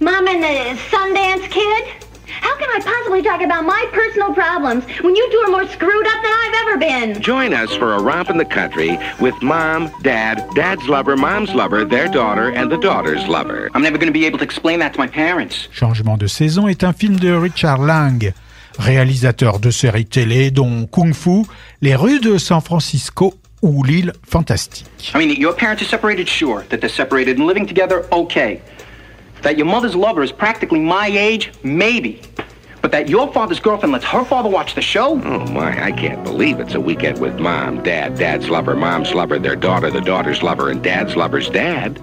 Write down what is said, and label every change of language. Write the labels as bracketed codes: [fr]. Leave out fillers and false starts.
[en] Mom and the Sundance Kid? How can I possibly talk about my personal problems when you two are more screwed up than I've ever been? Join us for a romp in the country with mom, dad, dad's lover, mom's lover, their daughter, and the daughter's lover. I'm never going to be able to explain that to my parents. [fr] Changement de saison est un film de Richard Lang, réalisateur de séries télé dont Kung Fu, Les rues de San Francisco, ou l'île fantastique. [en] I mean, your parents are separated, sure. That they're separated and living together, okay. That your mother's lover is practically my age, maybe. But that your father's girlfriend lets her father watch the show? Oh my, I can't believe it's a weekend with mom, dad, dad's lover, mom's lover, their daughter, the daughter's lover, and dad's lover's dad.